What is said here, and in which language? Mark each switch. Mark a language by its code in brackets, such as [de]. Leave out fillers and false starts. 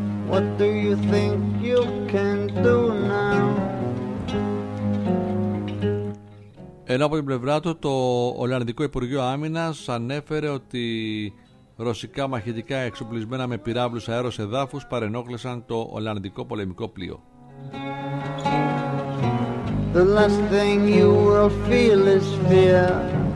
[en] What do you think you can do now? [el] Ενώ από την πλευρά του το Ολλανδικό Υπουργείο Άμυνας ανέφερε ότι ρωσικά μαχητικά εξοπλισμένα με πυράβλους αέρος εδάφους παρενόχλησαν το Ολλανδικό πολεμικό πλοίο. [en] The last thing you will feel is fear.